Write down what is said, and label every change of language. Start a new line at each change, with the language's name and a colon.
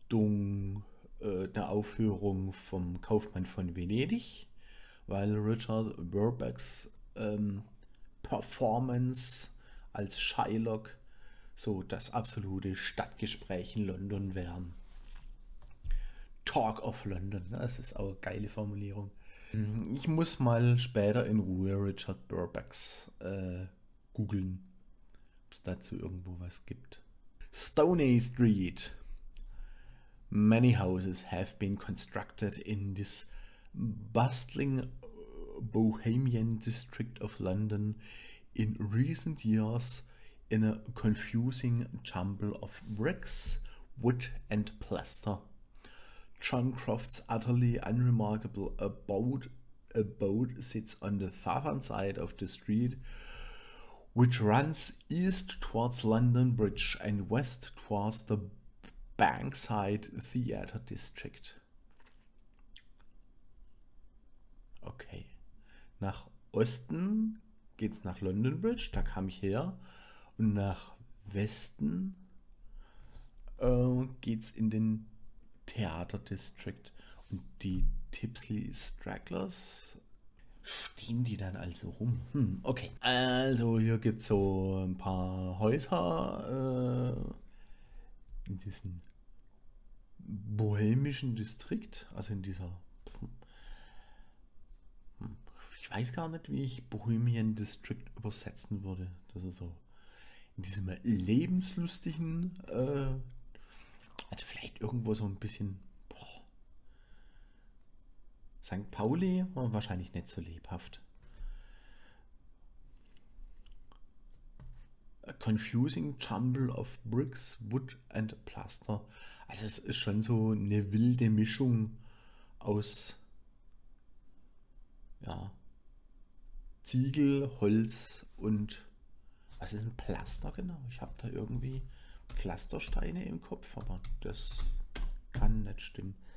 German: Richtung der Aufführung vom Kaufmann von Venedig, weil Richard Rohrbecks Performance als Shylock so das absolute Stadtgespräch in London wären.
English: Talk of London,
German: das ist auch eine geile Formulierung. Ich muss mal später in Ruhe Richard Rohrbecks googeln, ob es dazu irgendwo was gibt.
English: Stoney Street. Many houses have been constructed in this bustling Bohemian district of London in recent years in a confusing jumble of bricks, wood and plaster. John Croft's utterly unremarkable abode sits on the southern side of the street, which runs east towards London Bridge and west towards the Bankside Theatre District. Okay.
German: Nach Osten geht's nach London Bridge, da kam ich her. Und nach Westen geht's in den Theater District. Und die Tipsley Stragglers, stehen die dann also rum? Okay. Also hier gibt es so ein paar Häuser in diesen bohemischen Distrikt, also in dieser, ich weiß gar nicht, wie ich Bohemian District übersetzen würde. Das ist so in diesem lebenslustigen, also vielleicht irgendwo so ein bisschen, St. Pauli war wahrscheinlich nicht so lebhaft.
English: A confusing jumble of bricks, wood and plaster.
German: Also es ist schon so eine wilde Mischung aus ja, Ziegel, Holz und was ist ein Plaster genau? Ich habe da irgendwie Pflastersteine im Kopf, aber das kann nicht stimmen.